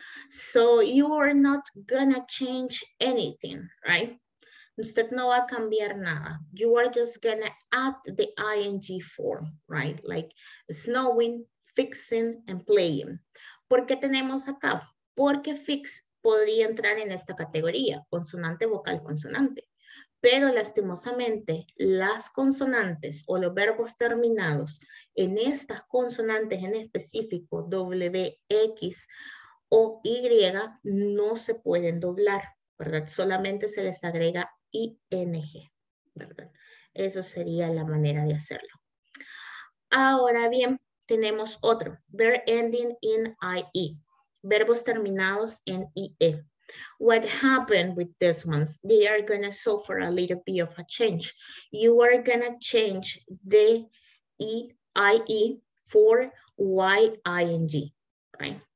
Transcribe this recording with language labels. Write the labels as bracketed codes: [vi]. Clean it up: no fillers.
[en] So, you are not gonna change anything, right? [es] Usted no va a cambiar nada. [en] You are just gonna add the ing form, right? Like snowing, fixing, and playing. [es] ¿Por qué tenemos acá? Porque fix podría entrar en esta categoría, consonante, vocal, consonante. Pero lastimosamente, las consonantes o los verbos terminados en estas consonantes en específico, W, X o Y, no se pueden doblar, ¿verdad? Solamente se les agrega ing, ¿verdad? Eso sería la manera de hacerlo. Ahora bien, tenemos otro, [en] verb ending in IE, [es] verbos terminados en IE. [en] What happened with these ones? They are gonna suffer a little bit of a change. You are gonna change the IE for YING, right?